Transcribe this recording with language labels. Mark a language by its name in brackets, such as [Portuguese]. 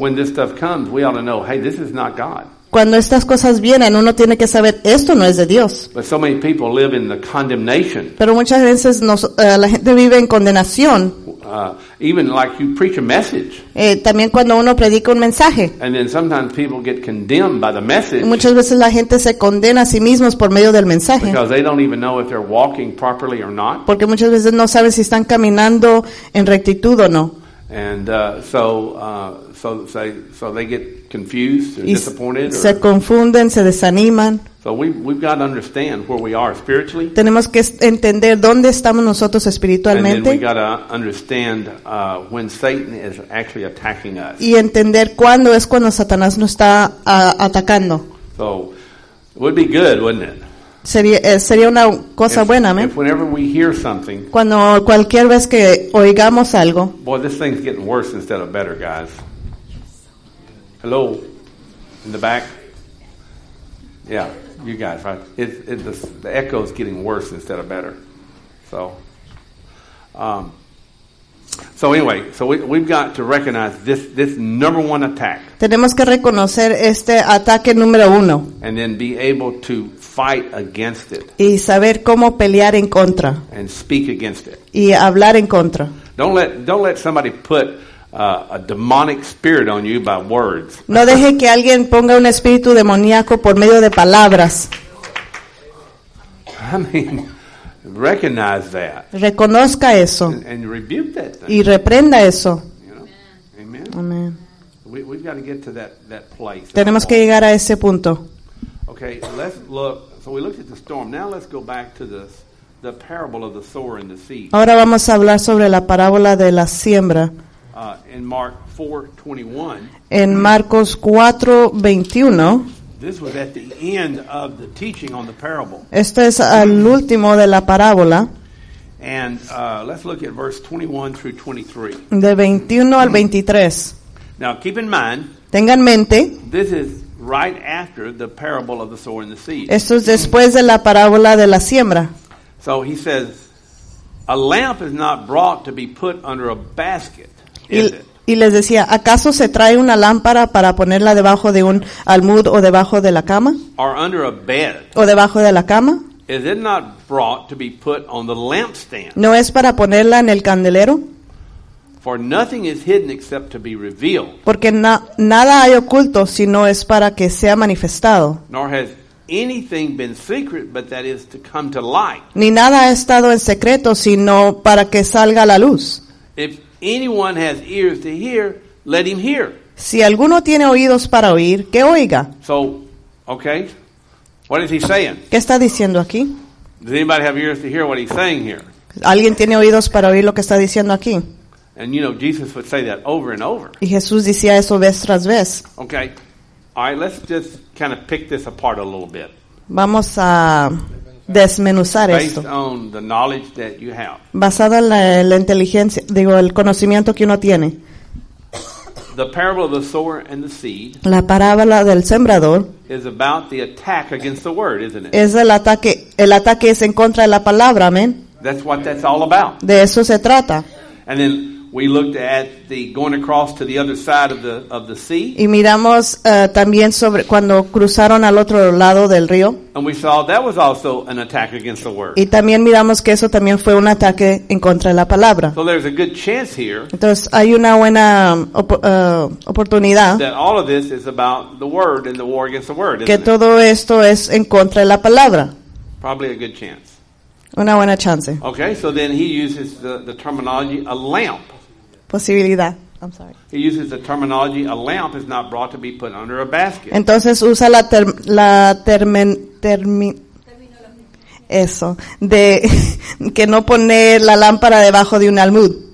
[English] When this stuff comes, we ought to know, hey, this is not God. [Spanish] Cuando estas cosas vienen, uno tiene que saber, esto no es de Dios. [English] But so many people live in the condemnation. [Spanish] Pero muchas veces la gente vive en condenación. [English] Even like you preach a message. [Spanish] También cuando uno predica un mensaje. [English] And then sometimes people get condemned by the message. [Spanish] Y muchas veces la gente se condena a sí mismos por medio del mensaje. [English] Because they don't even know if they're walking properly or not. [Spanish] Porque muchas veces no saben si están caminando en rectitud o no. [English] And so they get confused or disappointed. [Spanish] Se confunden, se desaniman. [English] So we've got to understand where we are spiritually. [Spanish] Tenemos que entender dónde estamos nosotros espiritualmente. [English] And then we got to understand when Satan is actually attacking us. [Spanish] Y entender cuándo es cuando Satanás nos está atacando. [English] So it would be good, wouldn't it? [Spanish] Sería una cosa buena, ¿me? [English] Whenever we hear something, [Spanish] cuando cualquier vez que oigamos algo. [English] Boy, this thing's getting worse instead of better, guys. Hello, in the back. Yeah, you guys, right? The echo is getting worse instead of better. So we've got to recognize this number one attack. [Spanish] Tenemos que reconocer este ataque número uno. [English] And then be able to fight against it. [Spanish] Y saber cómo pelear en contra. [English] And speak against it. [Spanish] Y hablar en contra. [English] Don't let somebody put a demonic spirit on you by words. [Spanish] No deje que alguien ponga un espíritu demoníaco por medio de palabras. [English] I mean, recognize that. [Spanish] Reconozca eso. [English] And rebuke that thing. [Spanish] Y reprenda eso. [English] You know? Amen. [Spanish] Amen. [English] We've got to get to that place. [Spanish] Tenemos que llegar a ese punto. [English] Okay, let's look. So we looked at the storm. Now let's go back to the parable of the sower and the seed. [Spanish] Ahora vamos a hablar sobre la parábola de la siembra. [English] In Mark 4:21. [Spanish] En Marcos 4:21. [English] This was at the end of the teaching on the parable. [Spanish] Esto es al último de la parábola. [English] And let's look at verse 21 through 23. [Spanish] De 21 al 23. [English] Now keep in mind. [Spanish] Tengan mente. [English] This is right after the parable of the sower and the seed. [Spanish] Esto es después de la parábola de la siembra. [English] So he says, a lamp is not brought to be put under a basket, is it? [Spanish] Y les decía, ¿acaso se trae una lámpara para ponerla debajo de un almud o debajo de la cama? [English] Or under a bed. [Spanish] ¿O debajo de la cama? [English] Is it not brought to be put on the lampstand? [Spanish] ¿No es para ponerla en el candelero? [English] For nothing is hidden except to be revealed. [Spanish] Porque nada hay oculto sino es para que sea manifestado. [English] Nor has anything been secret but that is to come to light. [Spanish] Ni nada ha estado en secreto sino para que salga a la luz. [English] If anyone has ears to hear, let him hear. [Spanish] Si alguno tiene oídos para oír, que oiga. [English] So, okay. What is he saying? [Spanish] ¿Qué está diciendo aquí? [English] Does anybody have ears to hear what he's saying here? [Spanish] ¿Alguien tiene oídos para oír lo que está diciendo aquí? [English] And you know, Jesus would say that over and over. [Spanish] Y Jesús decía eso vez tras vez. [English] Okay. All right, let's just kind of pick this apart a little bit. [Spanish] Vamos a desmenuzar esto. [English] Based on the knowledge that you have. [Spanish] Basado en la inteligencia, digo, el conocimiento que uno tiene. [English] The parable of the sower and the seed. [Spanish] La parábola del sembrador. [English] Is about the attack against the word, isn't it? [Spanish] Es el ataque es en contra de la palabra, amén. [English] That's what that's all about. [Spanish] De eso se trata. [English] And then we looked at the going across to the other side of the sea. [Spanish] Y miramos también sobre cuando cruzaron al otro lado del río. [English] And we saw that was also an attack against the word. [Spanish] Y también miramos que eso también fue un ataque en contra de la palabra. [English] So there's a good chance here. [Spanish] Entonces hay una buena oportunidad. [English] That all of this is about the word and the war against the word. [Spanish] Que todo [English] it? [Spanish] Esto es en contra de la palabra. [English] Probably a good chance. [Spanish] Una buena chance. [English] Okay, so then he uses the terminology a lamp. [Spanish] Posibilidad. [English] I'm sorry. He uses the terminology a lamp is not brought to be put under a basket. [Spanish] Entonces usa la que no poner la lámpara debajo de un almud.